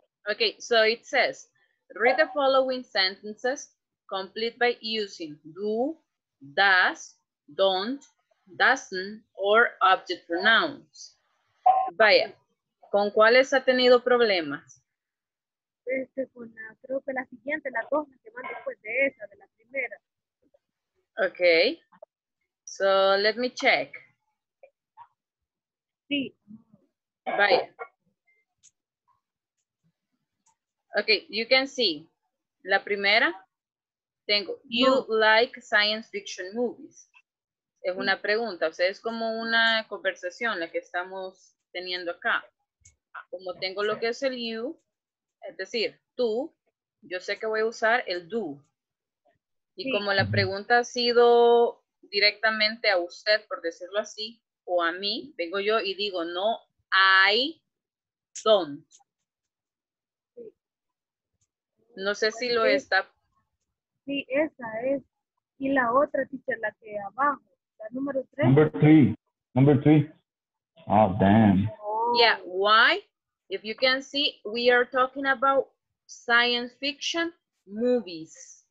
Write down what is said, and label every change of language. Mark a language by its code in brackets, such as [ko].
[en] Okay, so it says, read the following sentences, complete by using do, does, don't, doesn't, or object pronouns. [es] Vaya, ¿con cuáles ha tenido problemas? Este, con la, creo que la siguiente, las dos, las que van después de esa, de la primera. [en] Okay. So let me check. [es] Sí. Vaya. [en] Okay, you can see. [es] La primera, tengo, [en] you like science fiction movies. [es] Es una pregunta, o sea, es como una conversación la que estamos teniendo acá. Como tengo lo que es el you, es decir, tú, yo sé que voy a usar el do. Y sí, como la pregunta ha sido directamente a usted, por decirlo así, o a mí, vengo yo y digo, [en] no, I don't. [es] No sé si lo está. Sí, esa es. Y la otra, teacher, la que abajo, la número 3. [en] Number three. Oh, damn. Yeah, why? If you can see, we are talking about science fiction movies.